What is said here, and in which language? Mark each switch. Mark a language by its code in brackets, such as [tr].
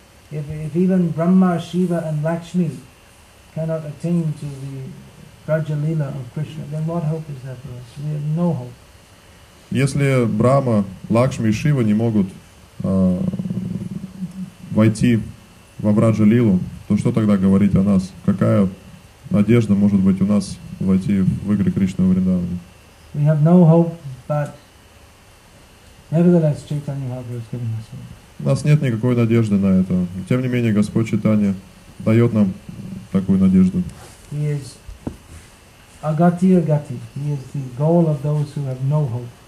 [en] If even Brahma, Shiva and Lakshmi cannot attain to the Rajalila of Krishna, then what hope is there for us? We have no hope. [ru] Если Брама, Лакшми и Шива не могут войти во Враджалилу, то что тогда говорить о нас? Какая надежда может быть у нас войти в игры Кришны во Вриндаване? [en] We have no hope, but nevertheless, Chaitanya Mahaprabhu has given us hope. [ru] У нас нет никакой надежды на это. Тем не менее, Господь Чайтанья дает нам такую надежду. [en] He is Agatiya Gati. He is the goal of those who have no hope.